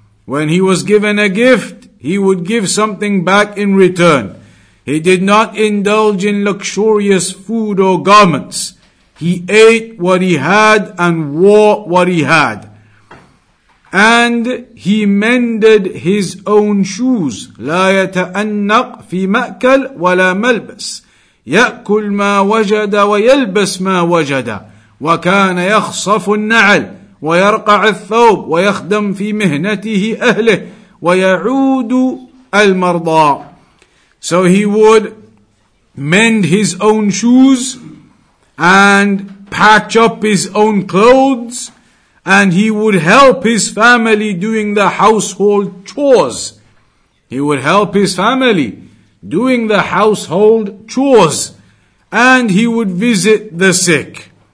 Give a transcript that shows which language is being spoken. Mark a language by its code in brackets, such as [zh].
[en] When he was given a gift, he would give something back in return. He did not indulge in luxurious food or garments. He ate what he had and wore what he had. And he mended his own shoes. [ar] لا يتأنق في مأكل ولا ملبس. يأكل ما وجد ويلبس ما وجد. وكان يخصف النعل. ويرقع الثوب ويخدم في مهنته أهله ويعود المرضى. [en] So he would mend his own shoes and patch up his own clothes, and he would help his family doing the household chores. He would help his family doing the household chores, and he would visit the sick.